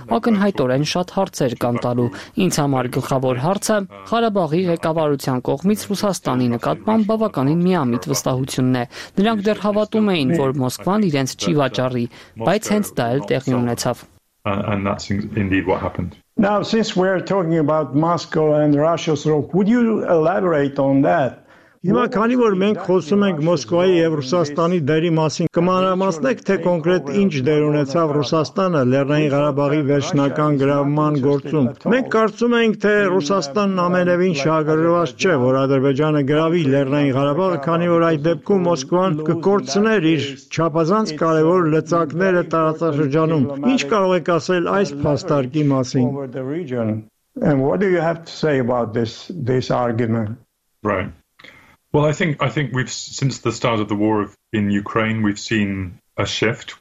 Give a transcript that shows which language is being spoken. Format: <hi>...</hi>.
<hy>ակնհայտորեն շատ հարցեր կան տալու։ Ինձ համար գլխավոր հարցը Ղարաբաղի ղեկավարության կողմից Ռուսաստանի նկատմամբ բավականին միամիտ վստահությունն է։ Նրանք դեռ հավատում էին, որ Մոսկվան իրենց չի վաճառի, բայց հենց դա էլ տեղի ունեցավ։</hy> <en>And that's indeed what happened. Now, since we're talking about Moscow and Russia's role, would you elaborate on that?</en> <hy>Հիմա քանի որ մենք խոսում ենք Մոսկվայի եւ Ռուսաստանի դերի մասին, կմանրամասնեք, թե կոնկրետ ինչ դեր ունեցավ Ռուսաստանը Լեռնային Ղարաբաղի վերջնական գրավման գործում։ Մենք կարծում ենք, թե Ռուսաստանն ամենևին շահագրգռված չէ, որ Ադրբեջանը գրավի Լեռնային Ղարաբաղը, քանի որ այդ դեպքում Մոսկվան կկորցներ իր չափազանց կարևոր լծակները տարածաշրջանում։ Ինչ կարող եք ասել այս փաստարկի մասին?</hy> <en>And what do you have to say about this argument? Right. Well, I think we've, since the start of the war in Ukraine, we've seen a shift.</en>